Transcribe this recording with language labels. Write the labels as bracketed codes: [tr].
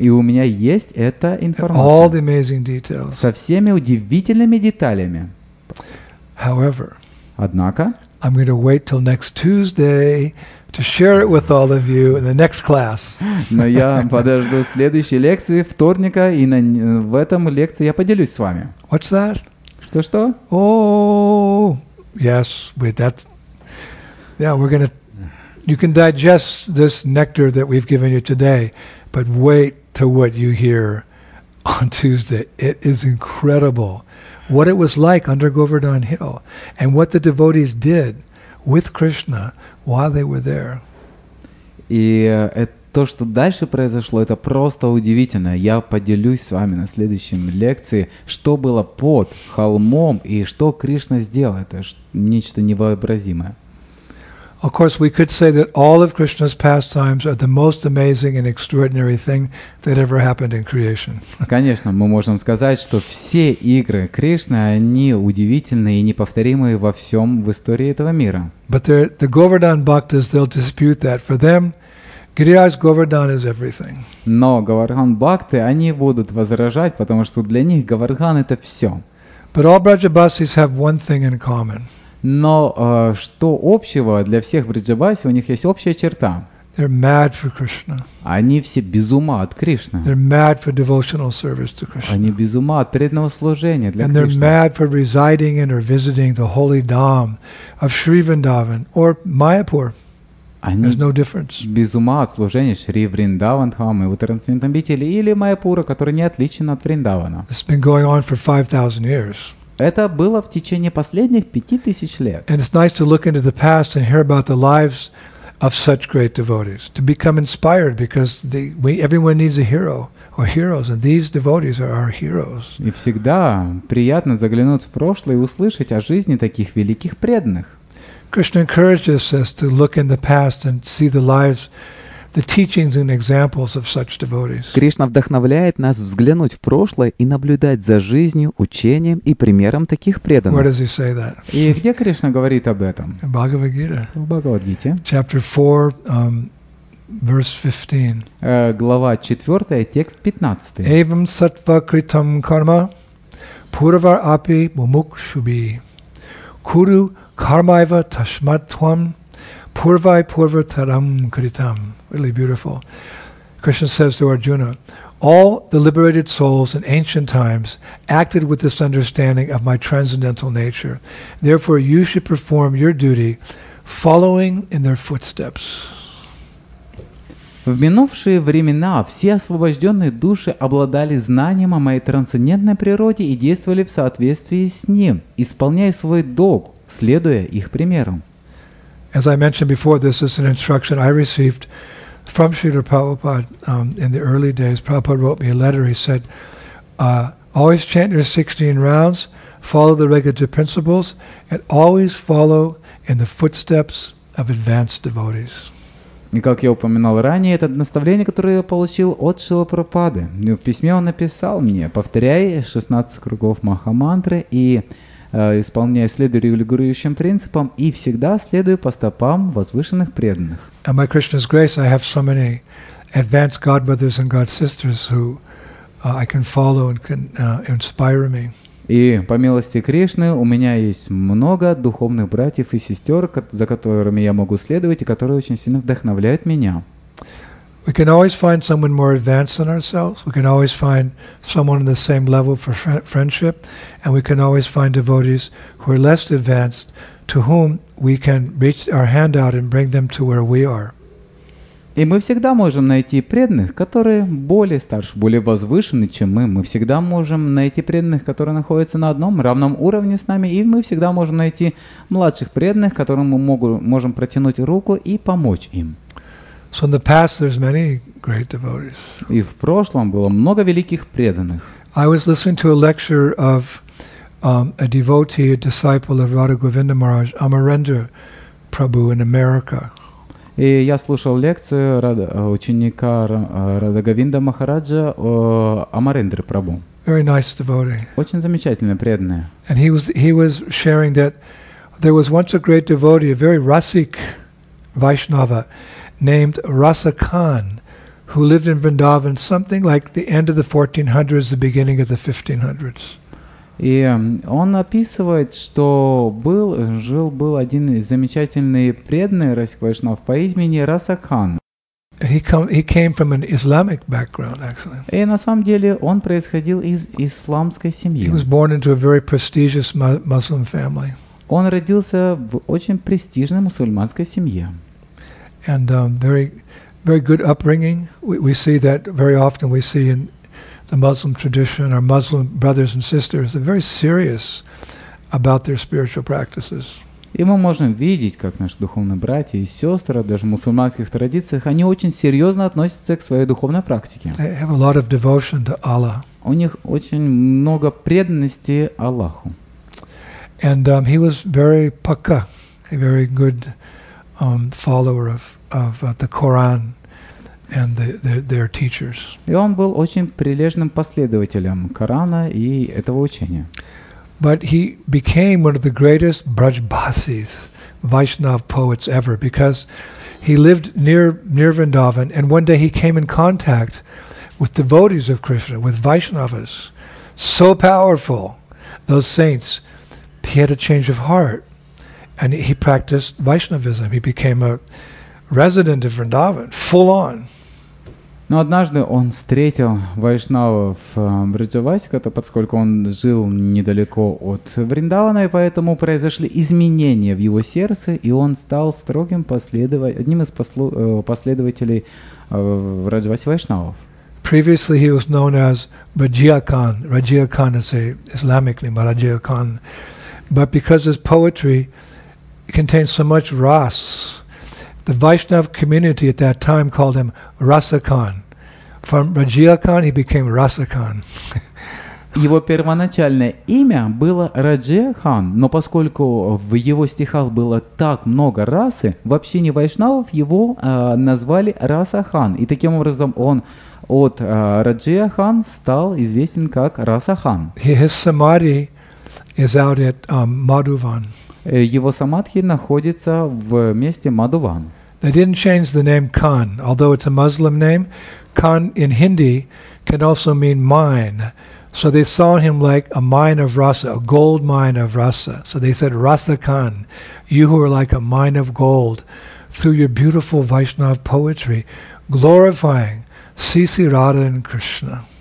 [ru] И у меня есть эта информация. [en] All the amazing details. [ru] Со всеми удивительными деталями. [en] However, [ru] однако, [en] I'm going to wait till next Tuesday to share it with all of you in the next class. [ru] Но я подожду следующей лекции вторника, и на в этом лекции я поделюсь с вами. [en] What's that? [ru] Что что? [en] Oh, yes, but that's, yeah, we're gonna, you can digest this nectar that we've given you today, but wait to what you hear on Tuesday. It is incredible what it was like under Govardhan Hill and what the devotees did with Krishna while they were there. [ru] И то, что дальше произошло, это просто удивительно. Я поделюсь с вами на следующем лекции, что было под холмом и что Кришна сделал. Это нечто невообразимое. [en] Of course, we could say that all of Krishna's pastimes are the most amazing and extraordinary thing that ever happened in creation. [ru] Конечно, мы можем сказать, что все игры Кришны, они удивительные и неповторимые во всем в истории этого мира. [en] But the Govardhan Bhaktas, they'll dispute that. For them, Giriraj Govardhan is everything. [ru] Но Говардхан Бхакты, они будут возражать, потому что для них Говардхан это все. [en] But all Brajabasis have one thing in common. [ru] Но что общего для всех бриджабаси, у них есть общая черта. [en] They're mad for Krishna. [ru] Они все без ума от Кришны. [en] They're mad for devotional service to Krishna. [ru] Они без ума от преданного служения для [en] And [ru] Кришны. [en] They're mad for residing in or visiting the holy dham of Sri Vrindavan or Mayapur. [ru] Они [en] There's no difference. [ru] Без ума от служения Шри Вриндаван-дхамы, у трансцендентной обители или Майяпура, который не отличен от Вриндавана. [en] It's been going on for 5,000 years. [ru] Это было в течение последних 5000 лет. [en] And it's nice to look into the past and hear about the lives of such great devotees, to become inspired, because everyone needs a hero or heroes, and these devotees are our heroes. [ru] И всегда приятно заглянуть в прошлое и услышать о жизни таких великих преданных. [en] Krishna encourages us to look in the past and see the lives, the teachings and examples of such devotees. [ru] Кришна вдохновляет нас взглянуть в прошлое и наблюдать за жизнью, учением и примером таких преданных. [en] Where does he say that? [ru] И где Кришна говорит об этом? [en] In Bhagavad Gita. [ru] В Бхагавад-гите. [en] Chapter 4, verse 15. [ru] Глава 4, текст 15. [sa] Evam sattva kritam karma puravar api mumukshubi kuru karmaiva tashmatvam purvai purvataram kritam. [en] Really beautiful. Krishna says to Arjuna, all the liberated souls in ancient times acted with this understanding of my transcendental nature. Therefore, you should perform your duty following in their footsteps. [ru] В минувшие времена все освобожденные души обладали знанием о моей трансцендентной природе и действовали в соответствии с ним, исполняя свой долг, следуя их примеру. [en] As I mentioned before, this is an instruction I received from Srila Prabhupada in the early days. Prabhupada wrote me a letter. He said, always chant your 16 rounds, follow the regulative principles, and always follow in the footsteps of advanced devotees. [ru] И как я упоминал ранее, это наставление, которое я получил от Шрилы Прабхупады. В письме он написал мне, повторяй 16 кругов Маха-мантры и исполняя, следуя регулирующим принципам и всегда следуя по стопам возвышенных преданных. [en] And by Krishna's grace, I have so many advanced godbrothers and godsisters who I can follow and can inspire me. [ru] И по милости Кришны у меня есть много духовных братьев и сестер, за которыми я могу следовать и которые очень сильно вдохновляют меня. [en] We can always find someone more advanced than ourselves. We can always find someone on the same level for friendship. And we can always find devotees who are less advanced to whom we can reach our hand out and bring them to where we are. [ru] И мы всегда можем найти преданных, которые более старше, более возвышены, чем мы. Мы всегда можем найти преданных, которые находятся на одном равном уровне с нами. И мы всегда можем найти младших преданных, которым мы можем протянуть руку и помочь им. [en] So in the past there's many great devotees. [ru] И в прошлом было много великих преданных. [en] I was listening to a lecture of a devotee, a disciple of Radha Govinda Maharaj, Amarendra Prabhu in America. [ru] И я слушал лекцию ученика Радха Говинда Махараджа Амарендры Прабху. [en] Very nice devotee. [ru] Очень замечательный преданный. [en] And he was sharing that there was once a great devotee, a very rasic Vaishnava, named Rasa Khan, who lived in Vrindavan something like the end of the 1400s, the beginning of the 1500s. [ru] И он описывает, что жил-был один замечательный преданный Раси Вайшнав по имени Расакхан. [en] He came from an Islamic background, actually. [ru] И на самом деле он происходил из исламской семьи. [en] He was born into a very prestigious Muslim family. [ru] Он родился в очень престижной мусульманской семье. [en] And very, very good upbringing. We see that very often. We see in the Muslim tradition, our Muslim brothers and sisters, they're very serious about their spiritual practices. [ru] И мы можем видеть, как наши духовные братья и сестры, даже в мусульманских традициях, они очень серьезно относятся к своей духовной практике. [en] They have a lot of devotion to Allah. [ru] У них очень много преданности Аллаху. [en] And he was very pakka, a very good follower of the Quran and their teachers. [ru] И он был очень прилежным последователем Корана и этого учения. [en] But he became one of the greatest Brajbasis, Vaishnav poets ever, because he lived near Vrindavan, and one day he came in contact with devotees of Krishna, with Vaishnavas, so powerful, those saints, he had a change of heart, and he practiced Vaishnavism. He became a resident of Vrindavan, full on. [ru] Но однажды он встретил вайшнавов Бриджавасика, поскольку он жил недалеко от Вриндавана, и поэтому произошли изменения в его сердце, и он стал строгим одним из последователей Бриджаваси вайшнавов. [en] Previously he was known as Rajia Khan. Rajia Khan is a Islamic name, Rajia Khan. But because his poetry contains so much ras, the Vaishnav community at that time called him Rasakhan. From Rajia Khan he became Rasakhan. [ru] Его первоначальное имя было Раджия Хан, но поскольку в его стихах было так много расы, в общине вайшнавов его назвали Расакхан. И таким образом он от Раджия Хан стал известен как Расакхан. [en] His samadhi is out at Madhuvan. [ru] Его самадхи находится в месте Мадхуван. [en] They didn't change the name Khan, although it's a Muslim name. Khan in Hindi can also mean mine. So they saw him like a mine of rasa, a gold mine of rasa. So they said, Rasa Khan, you who are like a mine of gold, through your beautiful Vaishnav poetry, glorifying Sisi Radha and Krishna.